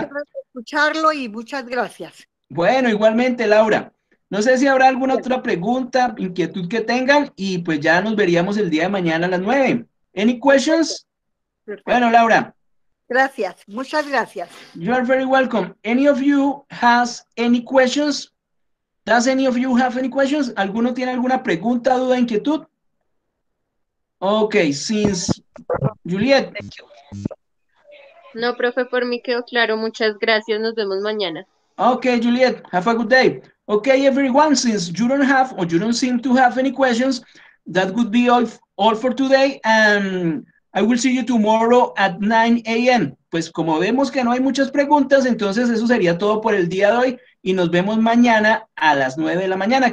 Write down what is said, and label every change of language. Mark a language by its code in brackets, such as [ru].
[es] Gracias por escucharlo y muchas gracias. Bueno, igualmente, Laura. No sé si habrá alguna otra pregunta, inquietud que tengan, y pues ya nos veríamos el día de mañana a las 9. [en] Any questions? [es] Perfecto. Bueno, Laura. Gracias, muchas gracias. [en] You are very welcome. Any of you has any questions? Does any of you have any questions? [es] ¿Alguno tiene alguna pregunta, duda, inquietud? [en] Okay, since Juliet. [es] No, profe, por mí quedó claro. Muchas gracias. Nos vemos mañana. [en] Okay, Juliet, have a good day. Okay, everyone, since you don't have or you don't seem to have any questions, that would be all for today. And I will see you tomorrow at 9 a.m. [es] Pues como vemos que no hay muchas preguntas, entonces eso sería todo por el día de hoy. Y nos vemos mañana a las 9 de la mañana.